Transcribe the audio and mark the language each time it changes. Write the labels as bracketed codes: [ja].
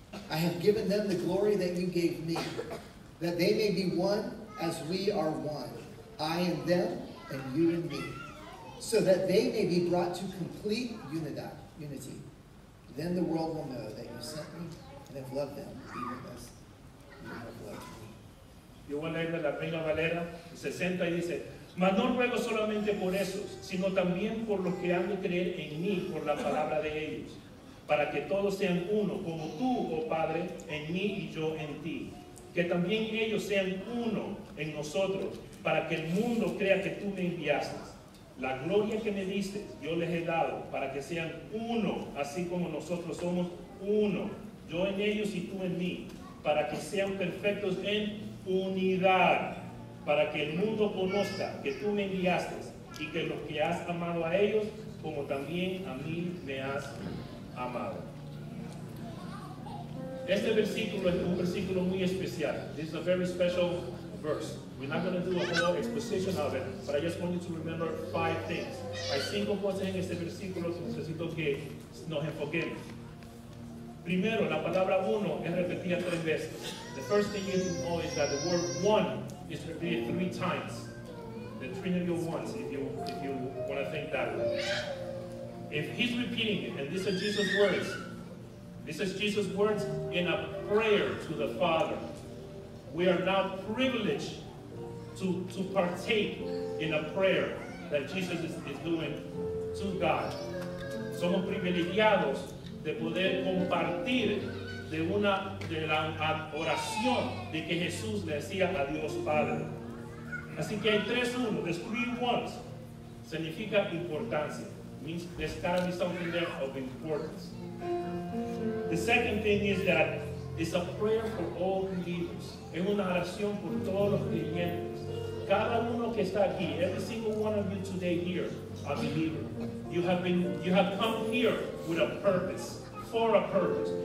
[en] I have given them the glory that you gave me, that they may be one as we are one, I in them and you in me, so that they may be brought to complete unity. Then the world will know that you sent me and have loved them even as you have loved me. [es] Yo voy a leer de la Reina Valera, 60, y dice, mas no ruego solamente por esos, sino también por los que han de creer en mí por la palabra de ellos, para que todos sean uno, como tú, oh Padre, en mí y yo en ti. Que también ellos sean uno en nosotros, para que el mundo crea que tú me enviaste. La gloria que me diste, yo les he dado, para que sean uno, así como nosotros somos uno, yo en ellos y tú en mí, para que sean perfectos en unidad, para que el mundo conozca que tú me enviaste y que los que has amado a ellos, como también a mí me has amado. Este versículo es un versículo muy especial. [en] This is a very special verse. We're not going to do a whole exposition of it, but I just want you to remember five things. [es] Hay cinco cosas en este versículo que necesito que nos enfoquemos. Primero, la palabra uno es repetida tres veces. [en] The first thing you need to know is that the word one is repeated three times. The Trinity of ones, if you want to think that way. If he's repeating it, and these are Jesus' words, this is Jesus' words in a prayer to the Father. We are now privileged to partake in a prayer that Jesus is doing to God. [es] Somos privilegiados de poder compartir de la oración de que Jesús le decía a Dios Padre. Así que hay tres uno, [en] the three ones, [es] significa importancia. [en] Means there's gotta be something there of importance. The second thing is that it's a prayer for all believers. [es] Es una oración por todos los creyentes. Cada uno que está aquí, [en] every single one of you today here, a believer, you have come here with a purpose, for a purpose.